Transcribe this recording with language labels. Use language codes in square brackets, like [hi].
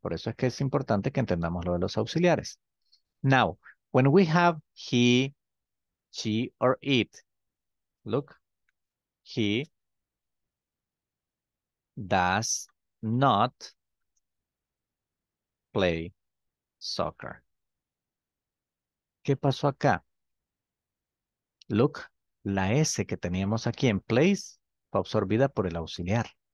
[es] Por eso es que es importante que entendamos lo de los auxiliares. [en] Now, when we have he, she, or it, look, he does not play soccer. [es] ¿Qué pasó acá? Look, la S que teníamos aquí en place fue absorbida por el auxiliar.